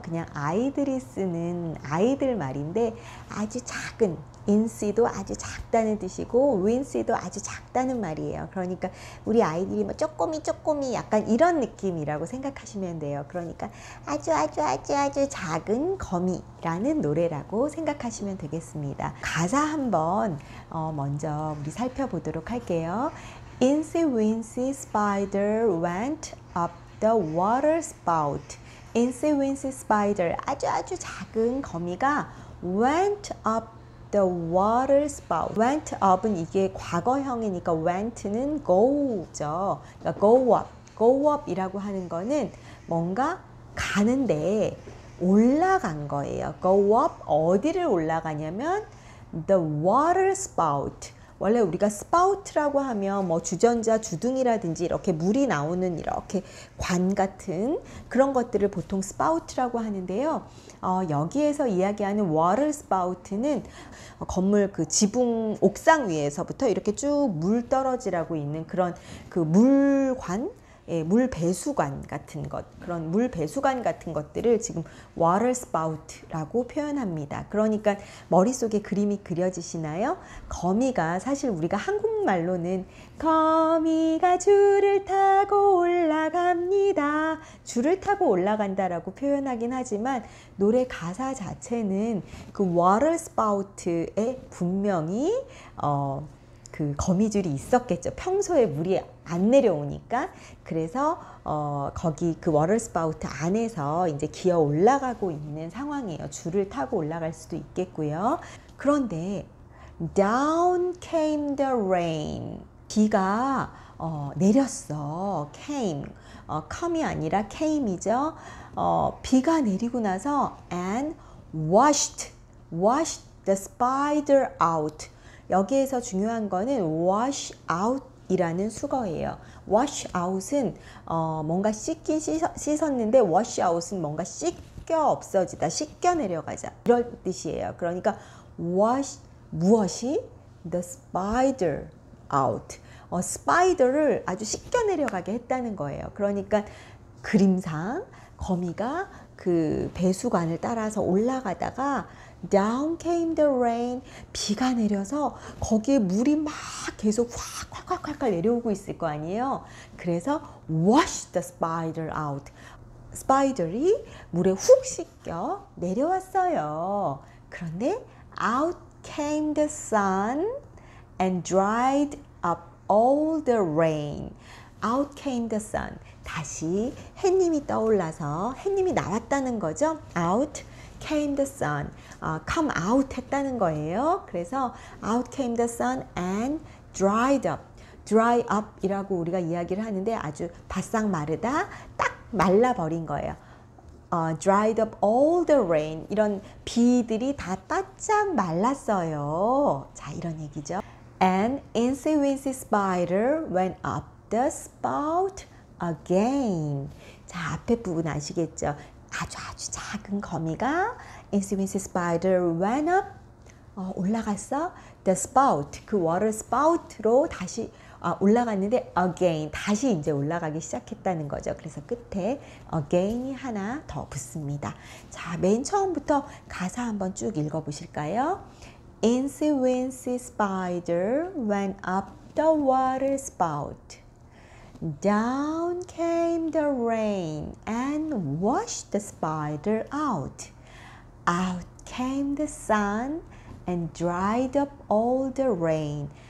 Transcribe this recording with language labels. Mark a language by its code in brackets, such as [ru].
[ko] 그냥 아이들이 쓰는 아이들 말인데 아주 작은 인시도 아주 작다는 뜻이고 윈시도 아주 작다는 말이에요. 그러니까 우리 아이들이 뭐 쪼꼬미 쪼꼬미 약간 이런 느낌이라고 생각하시면 돼요. 그러니까 아주 아주 아주 아주 작은 거미라는 노래라고 생각하시면 되겠습니다. 가사 한번 먼저 우리 살펴보도록 할게요. [en] Insy Winsy Spider went up the water spout. Insy Winsy Spider [ko] 아주 아주 작은 거미가 [en] went up the water spout. [ko] went up은 이게 과거형이니까 went는 go죠. 그러니까 [en] go up. [ko] go up이라고 하는 거는 뭔가 가는데 올라간 거예요. [en] go up [ko] 어디를 올라가냐면 [en] the water spout. [ko] 원래 우리가 spout라고 하면 뭐 주전자 주둥이라든지 이렇게 물이 나오는 이렇게 관 같은 그런 것들을 보통 spout라고 하는데요. 여기에서 이야기하는 water spout는 건물 그 지붕 옥상 위에서부터 이렇게 쭉 물 떨어지라고 있는 그런 그 물관? 예, 물 배수관 같은 것, 그런 물 배수관 같은 것들을 지금 water spout라고 표현합니다. 그러니까 머릿속에 그림이 그려지시나요? 거미가 사실 우리가 한국말로는 거미가 줄을 타고 올라갑니다. 줄을 타고 올라간다라고 표현하긴 하지만 노래 가사 자체는 그 water spout에 분명히 그 거미줄이 있었겠죠. 평소에 물이 안 내려오니까 그래서 거기 그 워터스파우트 안에서 이제 기어 올라가고 있는 상황이에요. 줄을 타고 올라갈 수도 있겠고요. 그런데 [en] down came the rain. [ko] 비가 내렸어. came. come이 아니라 came이죠. 비가 내리고 나서 [en] and washed the spider out. [ko] 여기에서 중요한 거는 wash out이라는 수거예요. wash out은 뭔가 씻긴 씻었는데 wash out은 뭔가 씻겨 없어지다, 씻겨 내려가자 이런 뜻이에요. 그러니까 wash 무엇이? [en] the spider out. [ko] spider를 아주 씻겨 내려가게 했다는 거예요. 그러니까 그림상 거미가 그 배수관을 따라서 올라가다가 [en] down came the rain. [ko] 비가 내려서 거기에 물이 막 계속 확확확확 내려오고 있을 거 아니에요. 그래서 [en] wash the spider out. [ko] 스파이더리 물에 훅 씻겨 내려왔어요. [en] 그런데 out came the sun and dried up all the rain. out came the sun. [ko] 다시 해님이 떠올라서 해님이 나왔다는 거죠. [en] out came the sun. come out [ko] 했다는 거예요. 그래서 [en] out came the sun and dried up. [ko] dry up 이라고 우리가 이야기를 하는데 아주 바싹 마르다, 딱 말라버린 거예요. [en] dried up all the rain. [ko] 이런 비들이 다 바짝 말랐어요. 자, 이런 얘기죠. [en] and insy winsy spider went up the spout again. [ko] 자, 앞에 부분 아시겠죠? 아주 아주 작은 거미가 Insy Winsy Spider [en] went up [ko] 올라갔어. The spout, 그 water spout로 다시 올라갔는데 again, 다시 이제 올라가기 시작했다는 거죠. 그래서 끝에 again이 하나 더 붙습니다. 자, 맨 처음부터 가사 한번 쭉 읽어보실까요? [en] Insy Winsy Spider went up the water spout. Down came the rain and washed the spider out. Out came the sun and dried up all the rain.